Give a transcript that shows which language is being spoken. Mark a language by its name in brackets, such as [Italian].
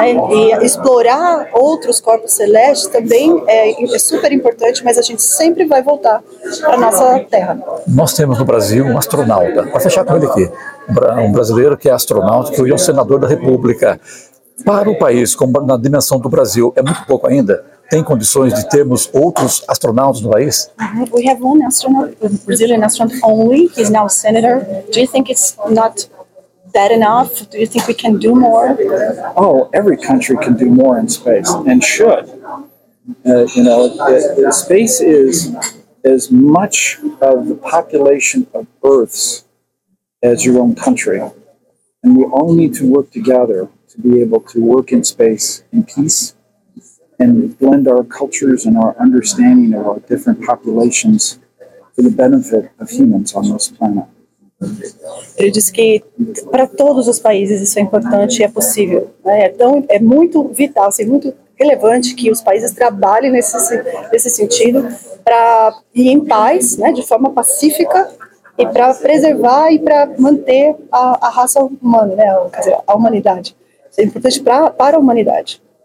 [Portuguese] E explorar outros corpos celestes também é super importante, mas a gente sempre vai voltar para a nossa Terra. Nós temos no Brasil um astronauta, para fechar com ele aqui, um brasileiro que é astronauta, que foi um senador da República. Para o país, como na dimensão do Brasil, é muito pouco ainda? Tem condições de termos outros astronautas no país? [English] We have one astronaut, Brazilian astronaut only, he's now a senator. Do you think it's not that enough? Do you think we can do more? Oh, every country can do more in space and should. You know, space is as much of the population of Earth's as your own country. And we all need to work together to be able to work in space in peace and blend our cultures and our understanding of our different populations for the benefit of humans on this planet. [Portuguese] Ele disse que para todos os países isso é importante e é possível. Né? Então é muito vital, assim, muito relevante que os países trabalhem nesse sentido para ir em paz, né, de forma pacífica, e para preservar e para manter a raça humana, né, quer dizer, a humanidade. Isso é importante para a humanidade.